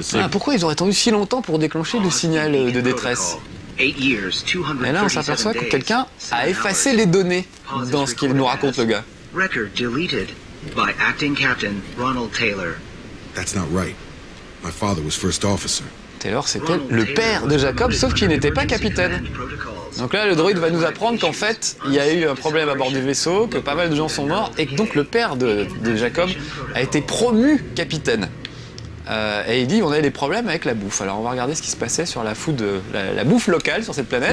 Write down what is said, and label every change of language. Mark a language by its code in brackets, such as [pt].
[fr] Pourquoi ils auraient attendu si longtemps pour déclencher le signal de détresse ? Et là, on s'aperçoit que quelqu'un a effacé les données dans ce qu'il nous raconte, le gars. [en] Record deleted by acting captain Ronald Taylor. That's not right. My father was first officer. [fr] Taylor, c'était le père de Jacob, sauf qu'il n'était pas capitaine. Donc là, le droïde va nous apprendre qu'en fait, il y a eu un problème à bord du vaisseau, que pas mal de gens sont morts, et que donc le père de Jacob a été promu capitaine. Et il dit qu'on avait des problèmes avec la bouffe. Alors on va regarder ce qui se passait sur la bouffe locale sur cette planète.